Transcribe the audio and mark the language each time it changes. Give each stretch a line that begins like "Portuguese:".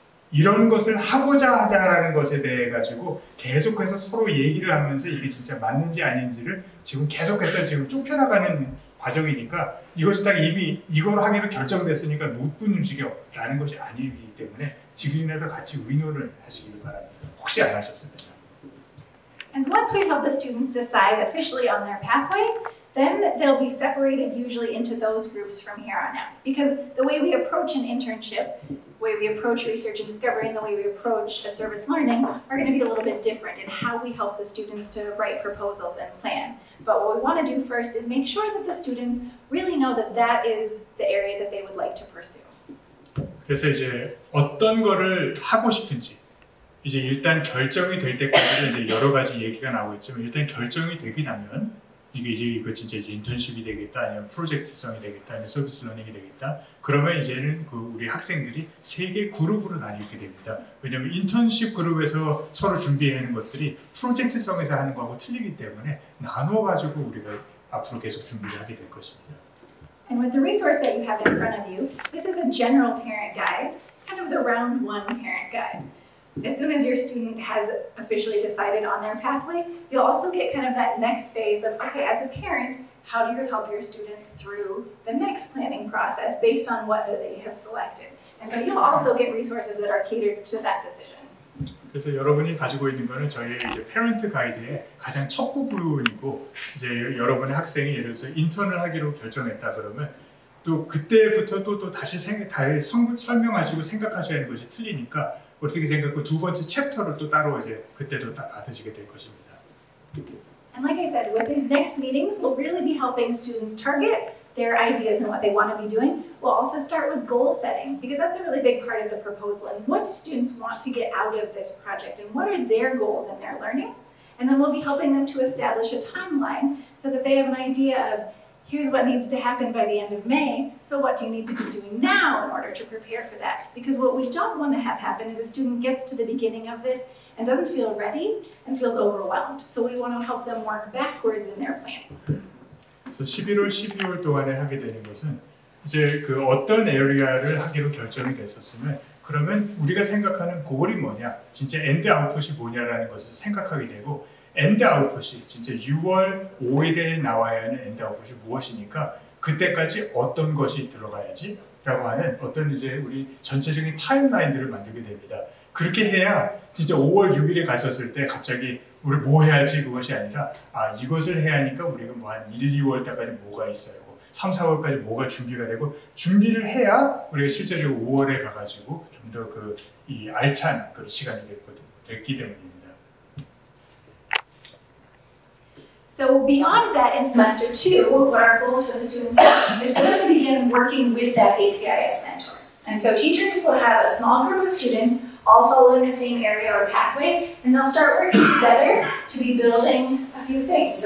Korean: 이런 것을 하고자 하자라는 것에 대해 가지고 계속해서 서로 얘기를 하면서 이게 진짜 맞는지 아닌지를 지금 계속해서 지금 좁혀나가는 과정이니까 이것이 딱 이미 이걸 하기로 결정됐으니까 못분 움직여라는 것이 아니기 때문에 지금이라도 같이 의논을 하시길 바랍니다. 혹시 안 하셨습니다.
English: And once we help the students decide officially on their pathway, then they'll be separated usually into those groups from here on out. Because the way we approach an internship, the way we approach research and discovery, and the way we approach a service learning are going to be a little bit different in how we help the students to write proposals and plan. But what we want to do first is make sure that the students really know that that is the area that they would like to pursue.
Korean: 그래서 이제 어떤 거를 하고 싶은지 이제 일단 결정이 될 때까지는 이제 여러 가지 얘기가 나오고 있지만 일단 결정이 되긴 하면 이게 이제 이거 진짜 이제 인턴십이 되겠다 아니면 프로젝트성이 되겠다 아니면 서비스 러닝이 되겠다 그러면 이제는 그 우리 학생들이 세 개 그룹으로 나뉘게 됩니다. 왜냐면 인턴십 그룹에서 서로 준비하는 것들이 프로젝트성에서 하는 거하고 틀리기 때문에 나누어 가지고 우리가 앞으로 계속 준비를 하게 될 것입니다.
English: And with the resource that you have in front of you, this is a general parent guide, kind of the round one parent guide. As soon as your student has officially decided on their pathway, you'll also get kind of that next phase of, okay, as a parent, how do you help your student through the next planning process based on what they have selected? And so you'll also get resources that are catered to that decision.
Korean: 그래서 여러분이 가지고 있는 거는 저희 이제
English: parent guide
Korean: 의 가장 첫 부분이고, 이제 여러분의 학생이 예를 들어서 인턴을 하기로 결정했다 그러면 또 그때부터 또 다시 설명하시고 생각하셔야 하는 것이 틀리니까 어떻게 생각하고 두 번째 챕터를 또 따로 이제 그때도 딱 받으시게 될 것입니다.
English: And like I said, with these next meetings, we'll really be helping students target their ideas and what they want to be doing. We'll also start with goal setting, because that's a really big part of the proposal. And what do students want to get out of this project? And what are their goals in their learning? And then we'll be helping them to establish a timeline so that they have an idea of here's what needs to happen by the end of May, so what do you need to be doing now in order to prepare for that? Because what we don't want to have happen is a student gets to the beginning of this and doesn't feel ready and feels overwhelmed. So we want to help them work backwards in their plan.
Korean: So 11월, 12월 동안에 하게 되는 것은 이제 그 어떤 에리아를 하기로 결정이 됐었으면 그러면 우리가 생각하는 골이 뭐냐, 진짜 엔드 아웃풋이 뭐냐라는 것을 생각하게 되고 엔드 아웃풋이 진짜 6월 5일에 나와야 하는 엔드 아웃풋이 무엇이니까 그때까지 어떤 것이 들어가야지 라고 하는 어떤 이제 우리 전체적인 타임라인들을 만들게 됩니다. 그렇게 해야 진짜 5월 6일에 갔었을 때 갑자기 우리 뭐 해야지 그것이 아니라 아 이것을 해야 하니까 우리가 뭐 한 1, 2월 때까지 뭐가 있어요 3, 4월까지 뭐가 준비가 되고 준비를 해야 우리가 실제로 5월에 가가지고 좀 더 그 이 알찬 그런 시간이 됐기 때문입니다.
English: So beyond that, in semester two, what our goals for the students are, is for them to begin working with that APIS mentor. And so teachers will have a small group of students all following the same area or pathway, and they'll start working together to be building a few things.